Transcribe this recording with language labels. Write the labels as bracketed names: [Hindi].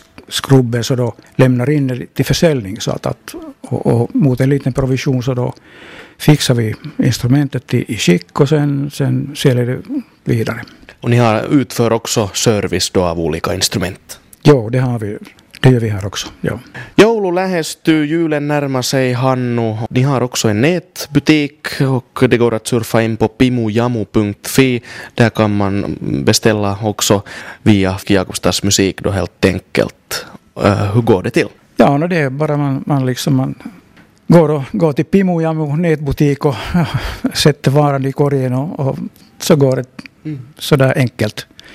[Swedish] skrubben så då lämnar in det till försäljning så att och mot en liten provision så då fixar vi instrumentet i skick och sen säljer det vidare. Och ni har utför också service då av olika instrument? Jo, det har vi. Det gör vi här också. Ja. [Finnish] Joulu lähestyy, [Swedish] julen närmar sig, Hannu. Ni har också en nätbutik och det går att surfa in på pimujamu.fi. Där kan man beställa också via Jakobstads musik då helt enkelt. Hur går det till? Ja, no, det är bara man liksom man går till Pimujamu nätbutik och sätter varan i korgen och så går det sådär enkelt.